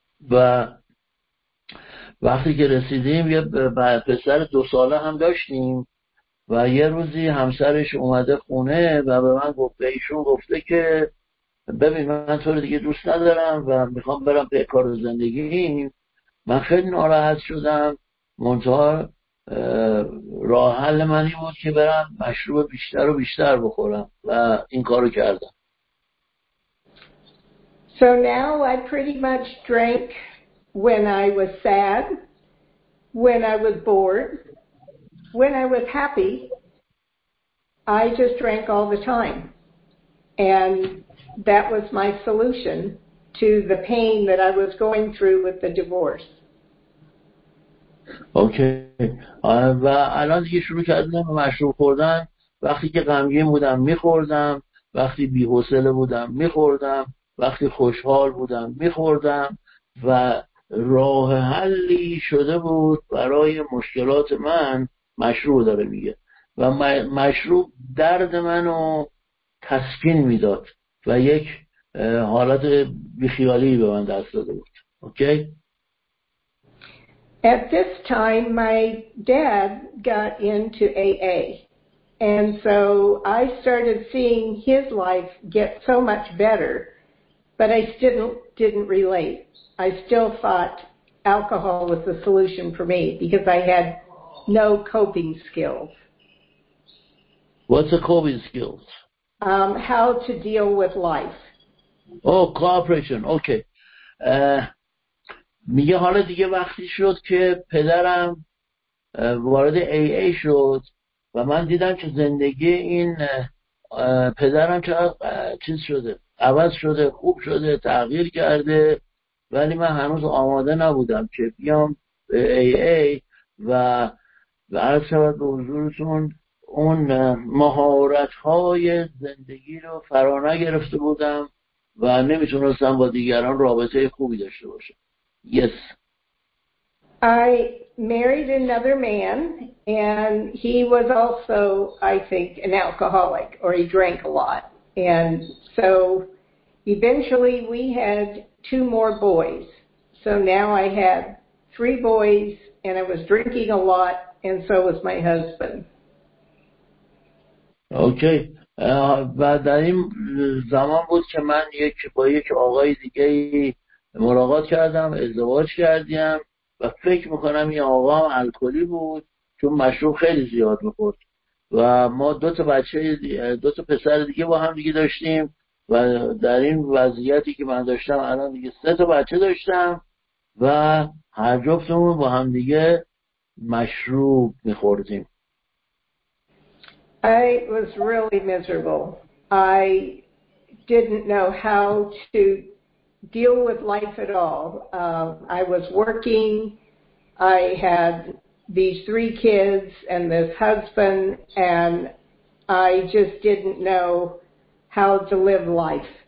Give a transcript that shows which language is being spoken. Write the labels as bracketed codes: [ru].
[fa] و وقتی که رسیدیم یه پسر 2 ساله هم داشتیم و یه روزی همسرش اومده خونه و به من گفت، ایشون گفته که ببین من تو رو دیگه دوست ندارم و میخوام برم به کار زندگیم. من خیلی ناراحت شدم، منتها راه حل من این بود که برم مشروب بیشتر و بیشتر بخورم و این کارو کردم. [en] So now I pretty much drank when I was sad, when I was bored, when I was happy. I just drank all the time. And that was my solution to the pain that I was going through with the divorce. Okay. [fa] و الان دیگه شروع کردم به مشروب خوردن. وقتی که غمگین بودم می‌خوردم، وقتی بی‌حوصله بودم می‌خوردم، وقتی خوشحال بودم میخوردم و راه حلی شده بود برای مشکلات من مشروب داره میگه. و مشروب درد منو تسکین میداد و یک حالت بیخیالی به من دست داده بود. اوکی؟ [en] At this time, my dad got into AA, and so I started seeing his life get so much better, but I still didn't relate. I still thought alcohol was the solution for me because I had no coping skills. What's the coping skills? How to deal with life. Oh, cooperation. Okay. [fa] میگه حالا دیگه وقتی شد که پدرم وارد AA شد و من دیدم که زندگی این پدرم چیز شده، عوض شده، خوب شده، تغییر کرده، ولی من هنوز آماده نبودم که بیام AA و عرض شد به حضورتون اون مهارت‌های زندگی رو فرا نگرفته بودم و نمیتونستم با دیگران رابطه خوبی داشته باشم. [en] Yes. I married another man, and he was also, I think, an alcoholic, or he drank a lot. And so eventually we had two more boys. So now I had three boys, and I was drinking a lot, and so was my husband. Okay. [fa] بعد در این زمان بود که من با یک آقای دیگه ملاقات کردم، ازدواج کردیم و فکر میکنم این آقا هم الکلی بود چون مشروب خیلی زیاد میخورد و ما دو تا پسر دیگه با هم دیگه داشتیم و در این وضعیتی که من داشتم الان دیگه سه تا بچه داشتم و هر جفتمون با هم دیگه مشروب میخوردیم. [en] I was really miserable. I didn't know how to deal with life at all. I was working. I had these three kids and this husband, and I just didn't know how to live life.